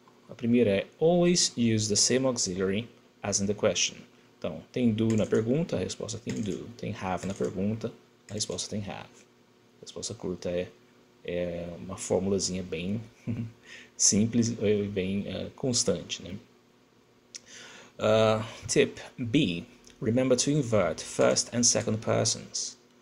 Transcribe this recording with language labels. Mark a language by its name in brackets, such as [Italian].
[Portuguese] A primeira é: [English] always use the same auxiliary as in the question. [Portuguese] Então, tem do na pergunta, a resposta tem do. Tem have na pergunta, a resposta tem have. A resposta curta é uma formulazinha bem simples e bem constante, né? [English] Tip B: remember to invert first and second persons.